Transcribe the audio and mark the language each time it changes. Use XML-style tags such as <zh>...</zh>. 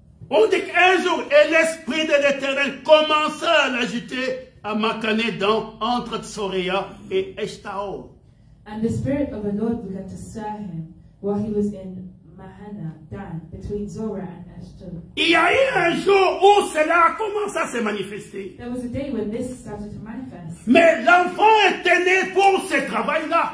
<fr>On dit qu'un jour, et l'Esprit de l'Éternel commença à l'agiter à Makané dans entre Tsoréa et Eshtaol.</fr> <en>And the Spirit of the Lord began to stir him while he was in Mahana, Dan, between Zora and Eshtaol.</en> <fr>Il y a eu un jour où cela a commencé à se manifester.</fr> <en>There was a day when this started to manifest.</en> <fr>Mais l'enfant était né pour ce travail-là.</fr>